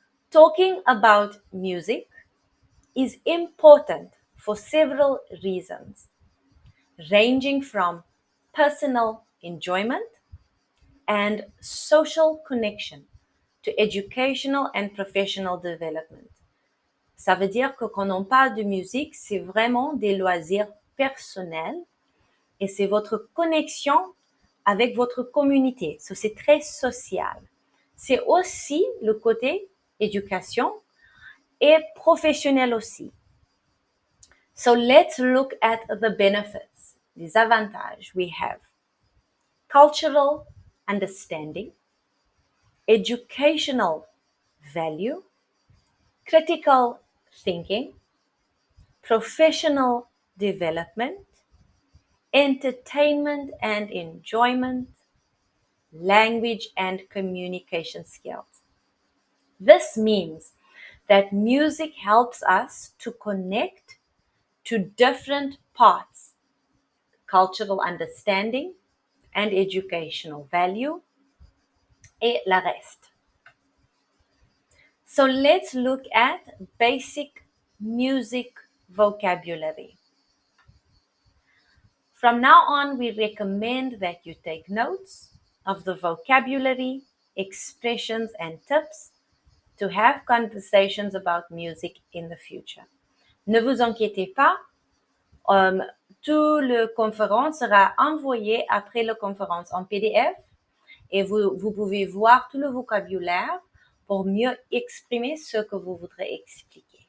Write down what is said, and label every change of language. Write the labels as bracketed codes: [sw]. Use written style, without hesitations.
[en] Talking about music is important for several reasons, ranging from personal enjoyment and social connection to educational and professional development. [fr] Ça veut dire que quand on parle de musique, c'est vraiment des loisirs personnels et c'est votre connexion avec votre communauté. So, c'est très social. C'est aussi le côté éducation et professionnel aussi. [en] So let's look at the benefits, [fr] les avantages [en] we have. Cultural understanding, educational value, critical thinking, professional development, entertainment and enjoyment, language and communication skills. This means that music helps us to connect to different parts, cultural understanding and educational value, [fr] et la reste. [en] So let's look at basic music vocabulary. From now on, we recommend that you take notes of the vocabulary, expressions, and tips to have conversations about music in the future. [fr] Ne vous inquiétez pas, tout le conférence sera envoyé après la conférence en PDF et vous pouvez voir tout le vocabulaire pour mieux exprimer ce que vous voudrez expliquer.